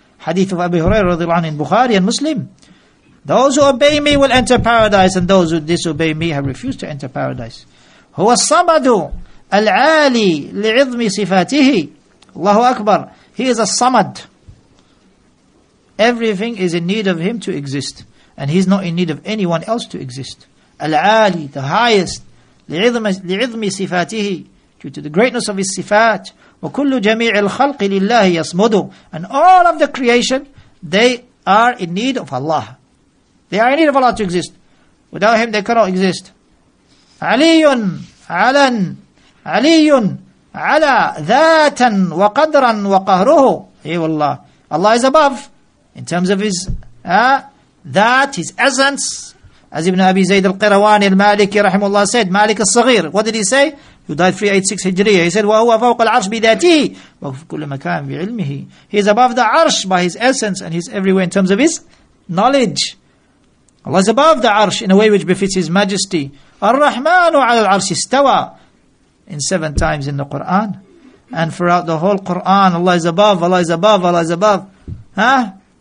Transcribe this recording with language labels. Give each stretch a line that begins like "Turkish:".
Arabic: حديث أبي هريرة رضي الله عنه البخاري ومسلم.
English: Those who obey me will enter paradise, and those who disobey me have refused to enter paradise.
Arabic: هو الصمد العالي لعظم صفاته. الله أكبر.
English: He is a samad. Everything is in need of him to exist, and he's not in need of anyone else to exist. العالي, the highest,
Arabic: لعظم صفاته,
English: due to the greatness of his صفات.
Arabic: وكل جميع الخلق لله يصمد.
English: And all of the creation, they are in need of Allah. They are in need of Allah to exist. Without him, they cannot exist.
Arabic: عَلِيٌّ عَلًا عَلِيٌّ عَلَى ذَاتًا وَقَدْرًا وَقَهْرُهُ. Hey, Allah.
English: Allah is above in terms of his that, his essence. As Ibn Abi Zayd al-Qirawani al-Maliki rahimullah said, Malik al-Saghir, what did he say? He died 386 Hijriya. He said,
Arabic: وَهُوَ فَوْقَ الْعَرْشِ بِذَاتِهِ وَفِي كُلِّ مَكَانٍ بِعِلْمِهِ.
English: He is above the arsh by his essence, and he's everywhere in terms of his knowledge. Allah is above the arsh in a way which befits His majesty. Ar-Rahmanu ala al-arsh istawa. In 7 times in the Quran. And throughout the whole Quran, Allah is above, Allah is above, Allah is above. Huh?